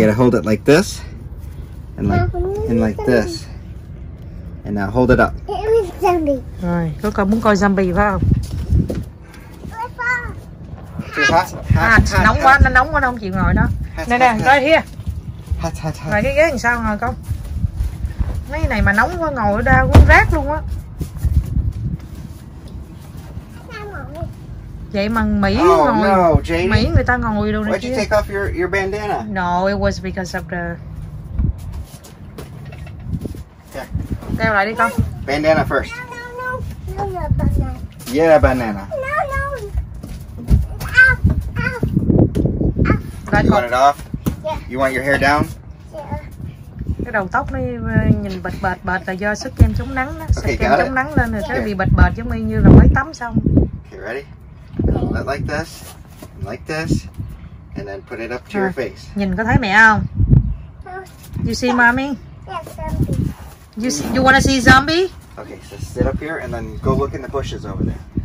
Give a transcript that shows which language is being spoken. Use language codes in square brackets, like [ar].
[en] You gotta hold it like this, and like, and like this, and now hold it up. It's a zombie. [vi] Rồi, có cần muốn coi zombie phải không? [en] Hot. [vi] Nóng quá, nó nóng quá, nó không chịu ngồi đó. Nè nè, coi kia. [en] Hot. [vi] Ngồi cái ghế làm sao ngồi không? Mấy này mà nóng quá ngồi ra quấn rác luôn á. Vậy mà Mỹ ngồi [en] no, [vi] Mỹ người ta ngồi đâu nè. [en] Why'd you take off your bandana? No, it was because of the. Here. [vi] Đeo lại đi con. [en] Bandana first. No. Yeah, banana. No. You want it off? Yeah. You want your hair down? Yeah. [vi] cái đầu tóc nó nhìn bệt bệt bệt là do sức kem chống nắng đó. Sức kem chống nắng lên rồi nó bị bệt bệt giống như là mới tắm xong. [en] Okay, ready? Let like this, like this, and then put it up to your face. [vi] Nhìn có thấy mẹ không? [en] You see mommy? Yes, zombie. You want to see zombie? Okay, so sit up here and then go look in the bushes over there.